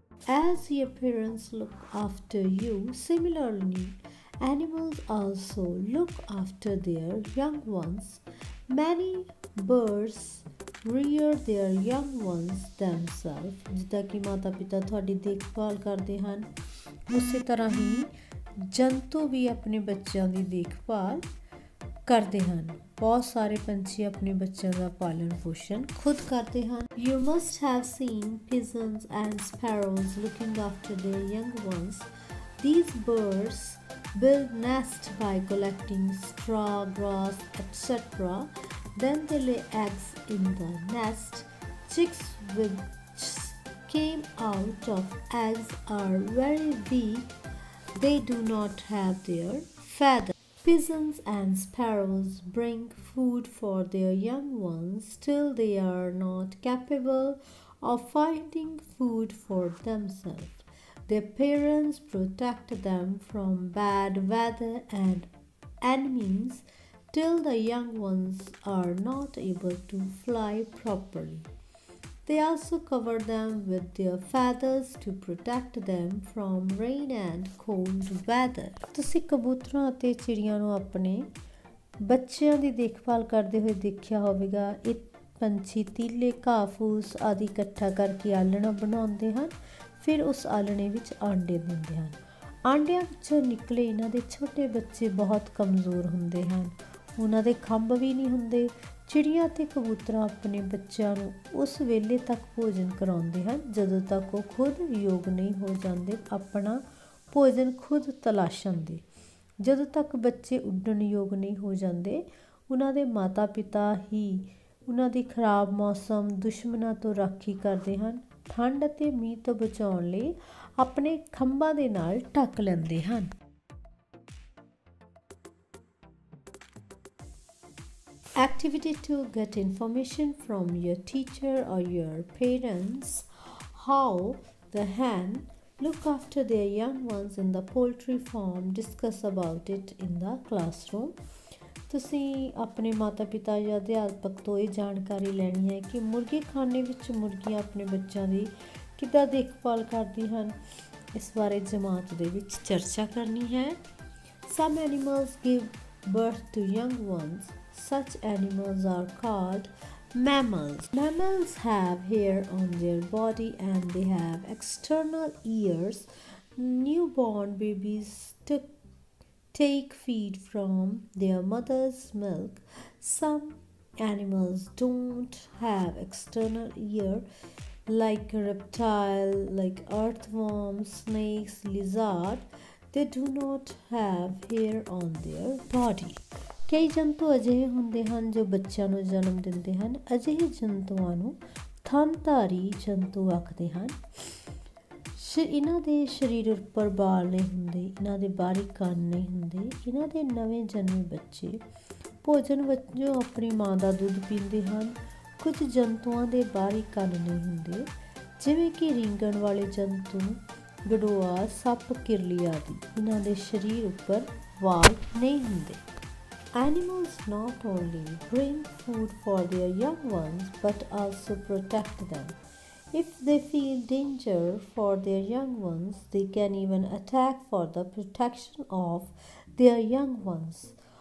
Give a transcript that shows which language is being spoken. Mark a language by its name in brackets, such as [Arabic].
[English] As your parents look after you, similarly, animals also look after their young ones. Many birds rear their young ones themselves. [Punjabi] ਜਿੱਦਾਂ ਕਿ ਮਾਤਾ ਪਿਤਾ ਤੁਹਾਡੀ ਦੇਖਭਾਲ ਕਰਦੇ ਹਨ, ਉਸੇ ਤਰ੍ਹਾਂ ਹੀ ਜੰਤੂ ਵੀ ਆਪਣੇ ਬੱਚਿਆਂ ਦੀ ਦੇਖਭਾਲ ਕਰਦੇ ਹਨ। ਬਹੁਤ ਸਾਰੇ ਪੰਛੀ ਆਪਣੇ ਬੱਚਿਆਂ ਦਾ ਪਾਲਣ ਪੋਸ਼ਣ ਖੁਦ ਕਰਦੇ ਹਨ। [English] You must have seen pigeons and sparrows looking after the young ones. These birds build nest by collecting straw, grass etcetera. Then they lay eggs in the nest. Chicks which came out of eggs are very weak, they do not have their feather. Pigeons and sparrows bring food for their young ones till they are not capable of finding food for themselves. Their parents protect them from bad weather and enemies till the young ones are not able to fly properly. They also cover them with their feathers to protect them from rain and cold weather. [Punjabi] ਤੁਸੀਂ ਕਬੂਤਰਾਂ ਅਤੇ ਚਿੜੀਆਂ ਨੂੰ ਆਪਣੇ ਬੱਚਿਆਂ ਦੀ ਦੇਖਭਾਲ ਕਰਦੇ ਹੋਏ ਦੇਖਿਆ ਹੋਵੇਗਾ। ਇਹ ਪੰਛੀ ਤੀਲੇ, ਘਾਹ ਫੂਸ ਆਦਿ ਇਕੱਠਾ ਕਰਕੇ ਆਲਣਾ ਬਣਾਉਂਦੇ ਹਨ, ਫਿਰ ਉਸ ਆਲਣੇ ਵਿੱਚ ਆਂਡੇ ਦਿੰਦੇ ਹਨ। ਆਂਡਿਆਂ ਵਿੱਚੋਂ ਨਿਕਲੇ ਇਹਨਾਂ ਦੇ ਛੋਟੇ ਬੱਚੇ ਬਹੁਤ ਕਮਜ਼ੋਰ ਹੁੰਦੇ ਹਨ, ਉਹਨਾਂ ਦੇ ਖੰਭ ਵੀ ਨਹੀਂ ਹੁੰਦੇ। ਚਿੜੀਆਂ ਅਤੇ ਕਬੂਤਰਾਂ ਆਪਣੇ ਬੱਚਿਆਂ ਨੂੰ ਉਸ ਵੇਲੇ ਤੱਕ ਭੋਜਨ ਕਰਾਉਂਦੇ ਹਨ ਜਦੋਂ ਤੱਕ ਉਹ ਖੁਦ ਯੋਗ ਨਹੀਂ ਹੋ ਜਾਂਦੇ ਆਪਣਾ ਭੋਜਨ ਖੁਦ ਤਲਾਸ਼ਣ ਦੇ। ਜਦੋਂ ਤੱਕ ਬੱਚੇ ਉੱਡਣ ਯੋਗ ਨਹੀਂ ਹੋ ਜਾਂਦੇ, ਉਹਨਾਂ ਦੇ ਮਾਤਾ ਪਿਤਾ ਹੀ ਉਹਨਾਂ ਦੀ ਖਰਾਬ ਮੌਸਮ ਦੁਸ਼ਮਣਾਂ ਤੋਂ ਰਾਖੀ ਕਰਦੇ ਹਨ। ਠੰਡ ਅਤੇ ਮੀਂਹ ਤੋਂ ਬਚਾਉਣ ਲਈ ਆਪਣੇ ਖੰਭਾਂ ਦੇ ਨਾਲ ਢੱਕ ਲੈਂਦੇ ਹਨ। [English] Activity 2, get information from your teacher or your parents how the hen look after their young ones in the poultry farm. Discuss about it in the classroom. [Punjabi] ਤੁਸੀਂ ਆਪਣੇ ਮਾਤਾ ਪਿਤਾ ਜਾਂ ਅਧਿਆਪਕ ਤੋਂ ਇਹ ਜਾਣਕਾਰੀ ਲੈਣੀ ਹੈ ਕਿ ਮੁਰਗੀ ਖਾਨੇ ਵਿੱਚ ਮੁਰਗੀਆਂ ਆਪਣੇ ਬੱਚਿਆਂ ਦੀ ਕਿੱਦਾਂ ਦੇਖਭਾਲ ਕਰਦੀ ਹਨ। ਇਸ ਬਾਰੇ ਜਮਾਤ ਦੇ ਵਿੱਚ ਚਰਚਾ ਕਰਨੀ ਹੈ। [English] Some animals give birth to young ones. Such animals are called mammals. Mammals have hair on their body and they have external ears. Newborn babies take feed from their mother's milk. Some animals don't have external ear, like a reptile, like earthworms, snakes, lizard. They do not have hair on their body. [Punjabi] ਕਈ ਜੰਤੂ ਅਜਿਹੇ ਹੁੰਦੇ ਹਨ ਜੋ ਬੱਚਿਆਂ ਨੂੰ ਜਨਮ ਦਿੰਦੇ ਹਨ। ਅਜਿਹੇ ਜੰਤੂਆਂ ਨੂੰ ਥਣਧਾਰੀ ਜੰਤੂ ਆਖਦੇ ਹਨ। ਇਹਨਾਂ ਦੇ ਸਰੀਰ ਉੱਪਰ ਵਾਲ ਨਹੀਂ ਹੁੰਦੇ, ਇਹਨਾਂ ਦੇ ਬਾਹਰੀ ਕੰਨ ਨਹੀਂ ਹੁੰਦੇ। ਇਹਨਾਂ ਦੇ ਨਵੇਂ ਜਨਮੇ ਬੱਚੇ ਭੋਜਨ ਵਜੋਂ ਆਪਣੀ ਮਾਂ ਦਾ ਦੁੱਧ ਪੀਂਦੇ ਹਨ। ਕੁਝ ਜੰਤੂਆਂ ਦੇ ਬਾਹਰੀ ਕੰਨ ਨਹੀਂ ਹੁੰਦੇ, ਜਿਵੇਂ ਕਿ ਰੀਂਗਣ ਵਾਲੇ ਜੰਤੂ, ਗੜੋਆ, ਸੱਪ, ਕਿਰਲੀ ਆਦਿ। ਇਹਨਾਂ ਦੇ ਸਰੀਰ ਉੱਪਰ ਵਾਲ ਨਹੀਂ ਹੁੰਦੇ। [English] Animals not only bring food for their young ones but also protect them. If they feel danger for their young ones, they can even attack for the protection of their young ones.